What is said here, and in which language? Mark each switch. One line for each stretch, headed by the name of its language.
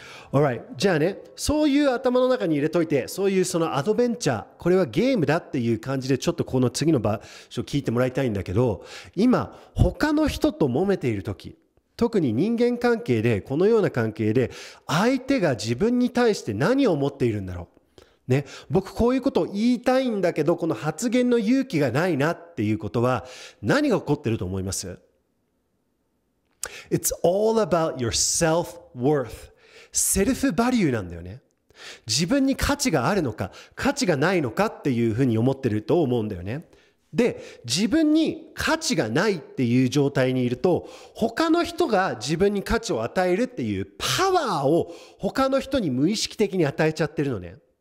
Japanese: Alright、 じゃあね、そういう頭の中に入れといて、そういうそのアドベンチャー、これはゲームだっていう感じで、ちょっとこの次の場所聞いてもらいたいんだけど、今他の人と揉めている時、特に人間関係で、このような関係で相手が自分に対して何を思っているんだろう、ね、僕こういうことを言いたいんだけど、この発言の勇気がないなっていうことは何が起こってると思います？
English: It's all about your self-worth.
Japanese: セルフバリューなんだよね。自分に価値があるのか価値がないのかっていうふうに思ってると思うんだよね。で、自分に価値がないっていう状態にいると他の人が自分に価値を与えるっていうパワーを他の人に無意識的に与えちゃってるのね。